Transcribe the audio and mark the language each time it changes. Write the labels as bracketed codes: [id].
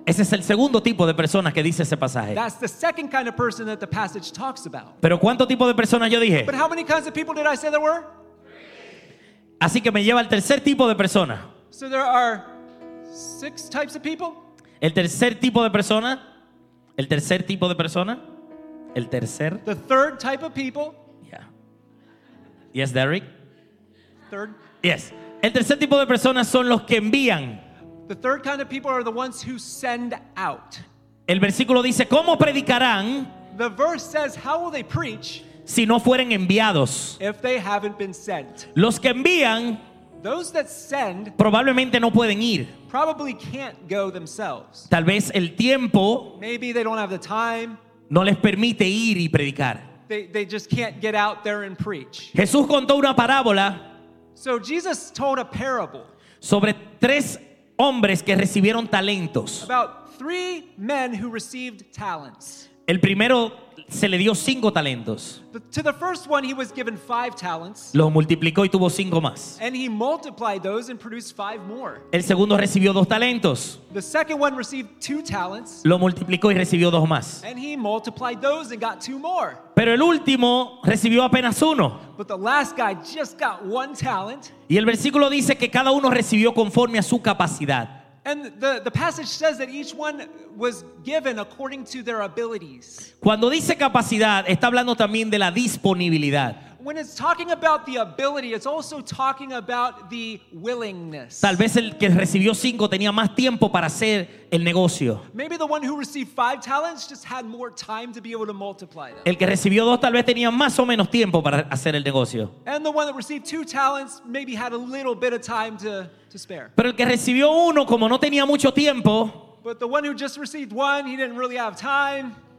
[es] Ese es el segundo tipo de personas que dice ese pasaje. [en] That's the second kind of person that the passage talks about. [es] Pero ¿cuánto tipo de personas yo dije? [en] But how many kinds of people did I say there were? [es] Así que me lleva al tercer tipo de persona. [en] So there are six types of people? [es] El tercer tipo de persona. El tercer tipo de persona. El tercer. [en] The third type of people. Yeah. Yes, Derek. Third. Yes. [es] El tercer tipo de personas son los que envían. [en] The third kind of people are the ones who send out. [es] El versículo dice, ¿cómo predicarán? [en] The verse says, how will they preach? [es] Si no fueren enviados. [en] If they haven't been sent. [es] Los que envían. [en] Those that send. [es] Probablemente no pueden ir. [en] Probably can't go themselves. [es] Tal vez el tiempo. [en] Maybe they don't have the time. [es] No les permite ir y predicar. [en] They just can't get out there and preach. [es] Jesús contó una parábola. [en] So Jesus told a parable. [es] Sobre tres hombres que recibieron talentos. [en] About three men who received talents. [es] El primero se le dio cinco talentos. [en] To the first one he was given five talents. [es] Lo multiplicó y tuvo cinco más. [en] And he multiplied those and produced five more. [es] El segundo recibió dos talentos. [en] The second one received two talents. [es] Lo multiplicó y recibió dos más. [en] And he multiplied those and got two more. [es] Pero el último recibió apenas uno. [en] But the last guy just got one talent. [es] Y el versículo dice que cada uno recibió conforme a su capacidad. [en] And the passage says that each one was given according to their abilities. [es] Cuando dice capacidad, está hablando también de la disponibilidad. [en] When it's talking about the ability, it's also talking about the willingness. [es] Tal vez el que recibió cinco tenía más tiempo para hacer el negocio. [en] Maybe the one who received five talents just had more time to be able to multiply them. [es] El que recibió dos tal vez tenía más o menos tiempo para hacer el negocio. [en] And the one that received two talents maybe had a little bit of time to spare. [es] Pero el que recibió uno como no tenía mucho tiempo. [en] But the one who just received one, he didn't really have time.